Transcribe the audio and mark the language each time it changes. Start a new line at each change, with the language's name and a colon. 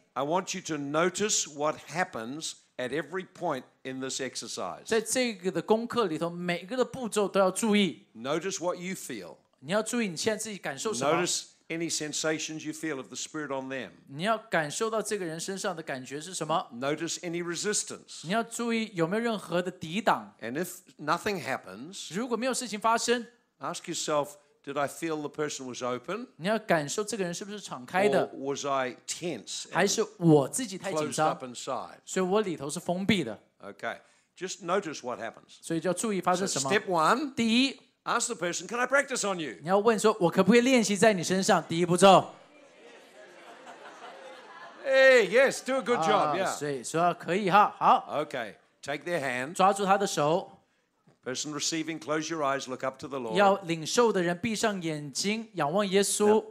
English: I want you to notice what happens at every point in this exercise.
Chinese: 在这个的功课里头，每一个的步骤都要注意。
English: Notice what you feel.
Chinese: 你要注意你现在自己感受什么。
English: Notice. Any sensations you feel of the spirit on them?
Chinese: 你要感受到这个人身上的感觉是什么
English: ？Notice any resistance.
Chinese: 你要注意有没有任何的抵挡。
English: And if nothing happens,
Chinese: 如果没有事情发生
English: ，Ask yourself, did I feel the person was open?
Chinese: 你要感受这个人是不是敞开的
English: ？Or was I tense?
Chinese: 还是我自己太紧张
English: ？Closed up inside.
Chinese: 所以我里头是封闭的。
English: Okay, just notice what happens.
Chinese: 所以就要注意发生什么。
English: So、step one.
Chinese: 第一。
English: Ask the person, "Can I practice on you?"
Chinese: 你要问说，我可不可以练习在你身上？第一步骤。
English: Hey, yes, do a good job. Yeah.
Chinese: 所以说可以哈，好。
English: Okay, take their hand.
Chinese: 抓住他的手。
English: Person receiving, close your eyes, look up to the Lord.
Chinese: 要领受的人闭上眼睛，仰望耶稣。